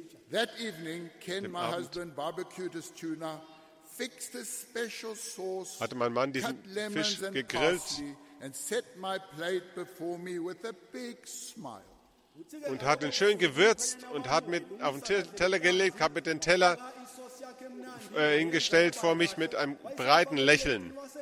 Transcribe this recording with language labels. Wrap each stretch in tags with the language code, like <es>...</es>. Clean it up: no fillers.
<en>That evening, Ken, my husband, barbecued his tuna, fixed a special sauce,</en> <de>hatte mein Mann diesen Fisch gegrillt</de> <en>and set my plate before me with a big smile.</en> <de>Und hat ihn schön gewürzt und hat mit auf den Teller gelegt, hat mit dem Teller hingestellt vor mich mit einem breiten Lächeln.</de>